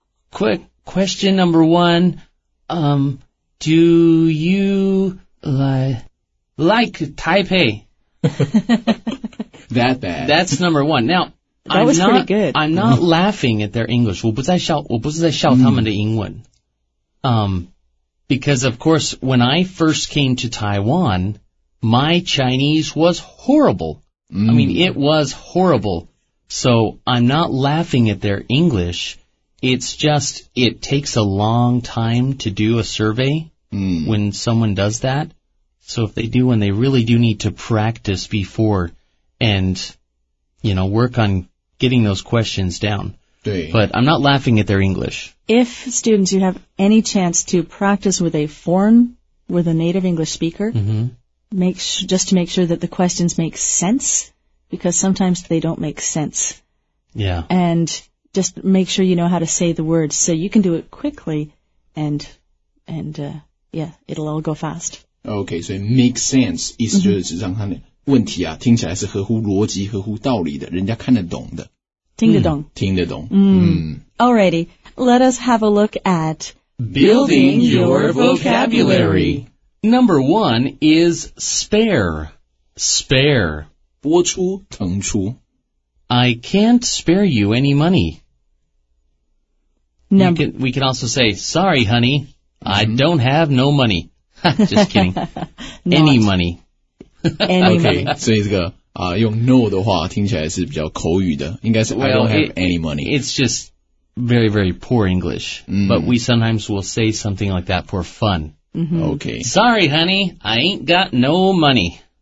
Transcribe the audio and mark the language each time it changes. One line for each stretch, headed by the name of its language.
English: Quick question number one. Do you like Taipei? That bad. That's number one. Now, that I'm was not, pretty good. I'm not laughing at their English.
Chinese: 我不是在笑他们的英文.
English: Because, of course, when I first came to Taiwan, my Chinese was horrible. I mean, it was horrible. So, I'm not laughing at their English. It's just, it takes a long time to do a survey、mm. when someone does that. So, if they do, and they really do need to practice before and, you know, work on getting those questions down.
Chinese: 对
English: But I'm not laughing at their English. If, students, you have any chance to practice with a foreign, with a native English speaker,、 mm-hmm. just to make sure that the questions make sense... Because sometimes they don't make sense. Yeah. And just make sure you know how to say the words so you can do it quickly and it'll all go fast. Okay, so make sense.
Chinese: 意思就是指让他的问题啊、mm-hmm. 听起来是合乎逻辑合乎道理的人家看得懂的。听得懂。听得懂。
English: Alrighty, let us have a look at Building Your Vocabulary. Number one is spare. Spare.
Chinese: 播出腾出
English: I can't spare you any money. We can also say, sorry, honey,、mm-hmm. I don't have no money. Just kidding. any money. any
Chinese: okay, 所以这个、用 no 的话听起来是比较口语的应该是
English: well, I don't have any money. It's just very, very poor English.、Mm. But we sometimes will say something like that for fun.、 Mm-hmm. Okay. Sorry, honey, I ain't got no money.